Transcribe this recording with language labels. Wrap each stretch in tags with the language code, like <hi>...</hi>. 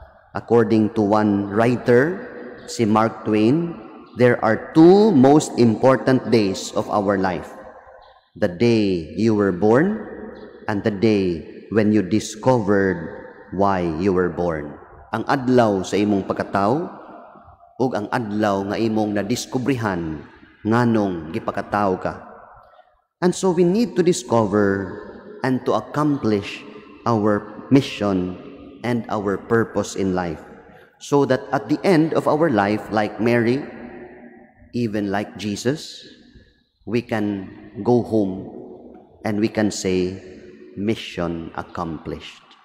<en>According to one writer, si Mark Twain, there are two most important days of our life. The day you were born and the day when you discovered why you were born.</en> <ceb>Ang adlaw sa imong pagkatao ug ang adlaw nga imong nadiskubrihan nganong gipakatao ka.</ceb> <en>And so we need to discover and to accomplish our mission and our purpose in life so that at the end of our life, like Mary, even like Jesus, we can go home and we can say, mission accomplished.</en>